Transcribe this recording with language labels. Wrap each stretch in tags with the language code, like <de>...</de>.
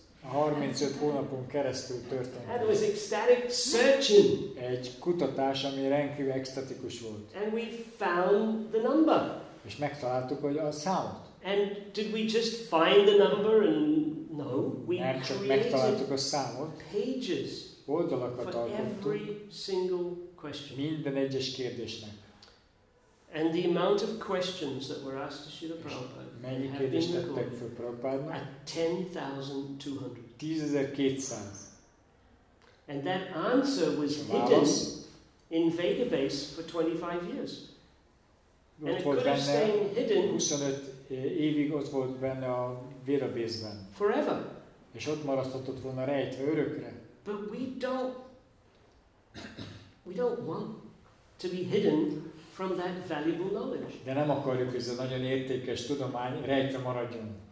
<hu>35 hónapon keresztül történt.</hu> <en>It was ecstatic searching.</en> <hu>Egy kutatás, ami rendkívül extatikus volt.</hu> <en>And we found the number.</en> <hu>És megtaláltuk, hogy a számot.</hu> <en>And did we just find the number and no, we</en> <hu>nem csak megtaláltuk a számot.</hu> <en>Pages.</en> <hu>Oldalakat alkottunk.</hu> <en>Every single question.</en> <hu>Minden egyes kérdésnek.</hu> <en>And the amount of questions that were asked to Srila Prabhupada.</en> <hu>Mennyi kérdést tettek föl Prabhupádnak?</hu> <en>10,200.</en> <hu>10,200.</hu> <en>And that answer was hidden in Vega base for 25 years.</en> <hu>Ott volt benne, 25 évig ott volt benne a Vera base-ben.</hu> <en>Forever.</en> <hu>És ott marasztott volna rejtve örökre.</hu> <en>But we don't want to be hidden from that valuable knowledge.</en> <hu>De nem akarjuk, hogy ez a nagyon értékes tudomány rejtve maradjon.</hu>